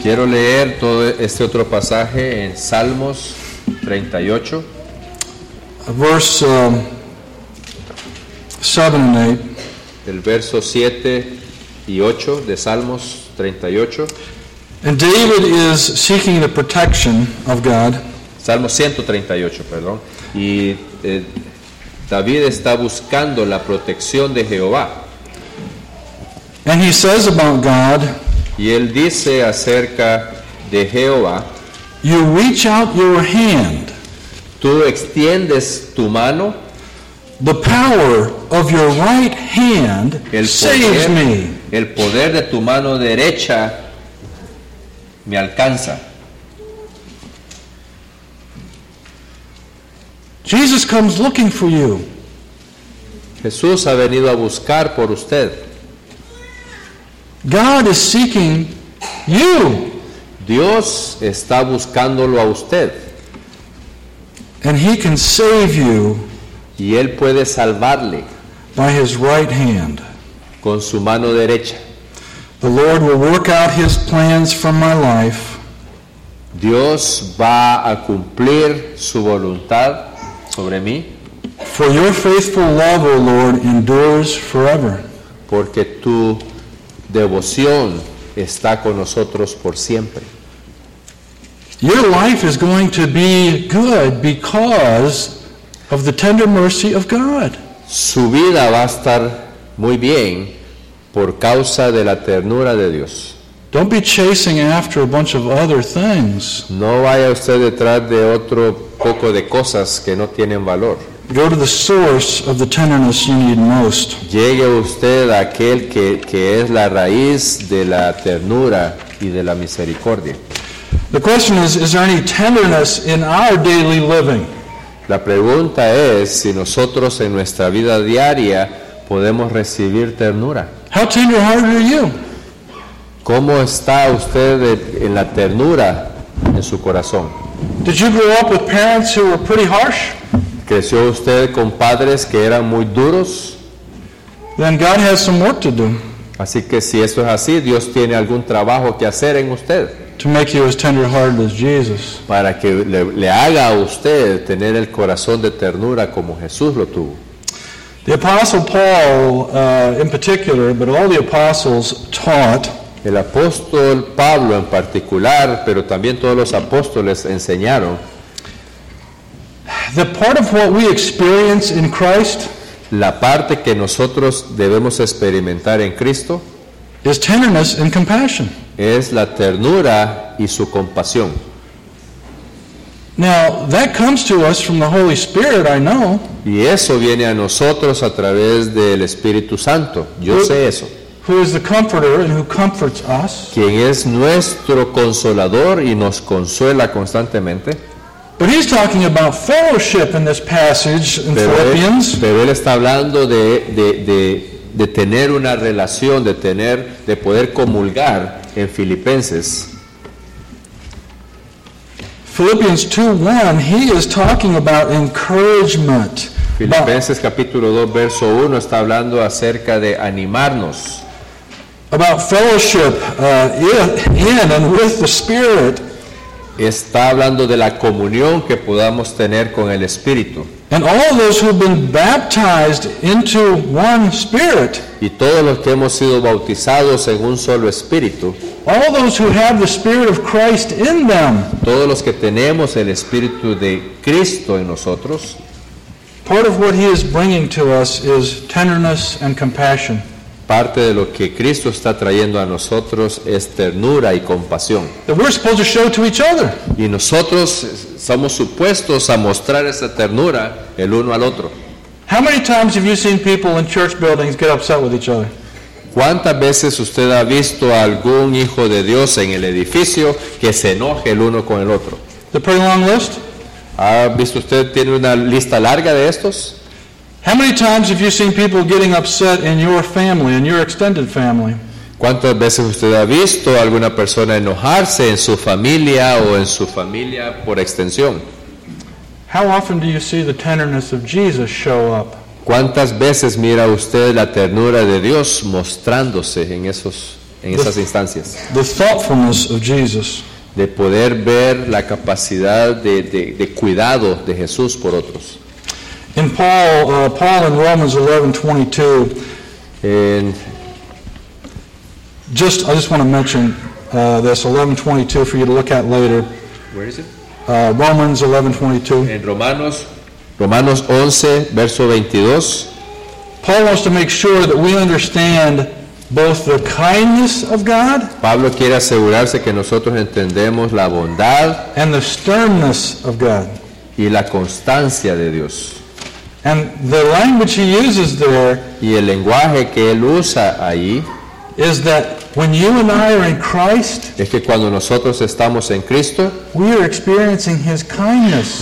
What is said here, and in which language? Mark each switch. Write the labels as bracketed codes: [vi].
[es] Quiero leer todo este otro pasaje en Salmos 38. [en] Verse 7 and 8. [es] del verso 7 y 8 de Salmos 38. [en] And David is seeking the protection of God. [es] Salmo 138, perdón. Y David está buscando la protección de Jehová. [en] And he says about God, [es] y él dice acerca de Jehová, [en] you reach out your hand. [es] Tú extiendes tu mano. [en] The power of your right hand saves me. [es] El poder de tu mano derecha me alcanza. [en] Jesus comes looking for you. [es] Jesús ha venido a buscar por usted. [en] God is seeking you. [es] Dios está buscándolo a usted. [en] And he can save you. [es] Y él puede salvarle. [en] By his right hand. [es] Con su mano derecha. [en] The Lord will work out his plans for my life. [es] Dios va a cumplir su voluntad sobre mí. [en] For your faithful love, O Lord, endures forever. [es] Porque tu devoción está con nosotros por siempre. [en] Your life is going to be good because of the tender mercy of God. [es] Su vida va a estar muy bien por causa de la ternura de Dios. [en] Don't be chasing after a bunch of other things. [es] No vaya usted detrás de otro poco de cosas que no tienen valor. [en] Go to the source of the tenderness you need most. [es] Llegue usted a aquel que es la raíz de la ternura y de la misericordia. [en] The question is there any tenderness in our daily living? [es] La pregunta es si nosotros en nuestra vida diaria podemos recibir ternura. [en] How tender-hearted are you? [es] ¿Cómo está usted en la ternura en su corazón? [en] Did you grow up with parents who were pretty harsh? [es] ¿Creció usted con padres que eran muy duros? [en] Then God has some work to do. [es] Así que si eso es así, Dios tiene algún trabajo que hacer en usted. [en] To make you as tender-hearted as Jesus. [es] Para que le haga a usted tener el corazón de ternura como Jesús lo tuvo. [en] The Apostle Paul, in particular, but all the apostles taught. [es] El apóstol Pablo en particular, pero también todos los apóstoles enseñaron. [en] The part of what we experience in Christ. [es] La parte que nosotros debemos experimentar en Cristo. [en] Is tenderness and compassion. [es] Es la ternura y su compasión. [en] Now, that comes to us from the Holy Spirit, I know. [es] Y eso viene a nosotros a través del Espíritu Santo. Yo sé eso. [en] Who is the comforter and who comforts us. [es] Quien es nuestro consolador y nos consuela constantemente. [en] But he's talking about fellowship in this passage in Philippians. [es] Pero él está hablando de tener una relación, de poder comulgar en Filipenses. [en] Philippians 2:1, he is talking about encouragement. [es] Filipenses capítulo 2 verso 1 está hablando acerca de animarnos. [en] About fellowship in and with the Spirit. [es] Está hablando de la comunión que podamos tener con el Espíritu. [en] And all those who've been baptized into one Spirit. [es] Y todos los que hemos sido bautizados en un solo Espíritu. [en] All those who have the Spirit of Christ in them. [es] Todos los que tenemos el Espíritu de Cristo en nosotros. [en] Part of what he is bringing to us is tenderness and compassion. [es] Parte de lo que Cristo está trayendo a nosotros es ternura y compasión. [en] That we're supposed to show to each other. [es] Y nosotros somos supuestos a mostrar esa ternura el uno al otro. [en] How many times have you seen people in church buildings get upset with each other? [es] ¿Cuántas veces usted ha visto a algún hijo de Dios en el edificio que se enoje el uno con el otro? [en] The pretty long list. [es] ¿Ha visto usted tiene una lista larga de estos? [en] How many times have you seen people getting upset in your family, in your extended family? [es] ¿Cuántas veces usted ha visto alguna persona enojarse en su familia o en su familia por extensión? [en] How often do you see the tenderness of Jesus show up? [es] ¿Cuántas veces mira usted la ternura de Dios mostrándose en esas instancias? [en] The thoughtfulness of Jesus. [es] De poder ver la capacidad de cuidado de Jesús por otros. [en] In Paul in Romans 11:22, And just, I just want to mention this 11:22 for you to look at later. Where is it? Romans 11:22. [es] En Romanos, Romanos 11, verso 22. [en] Paul wants to make sure that we understand both the kindness of God. [es] Pablo quiere asegurarse que nosotros entendemos la bondad. [en] And the sternness of God. [es] Y la constancia de Dios. [en] And the language he uses there. [es] Y el lenguaje que él usa ahí. [en] Is that when you and I are in Christ? [es] Es que cuando nosotros estamos en Cristo, [en] we are experiencing His kindness.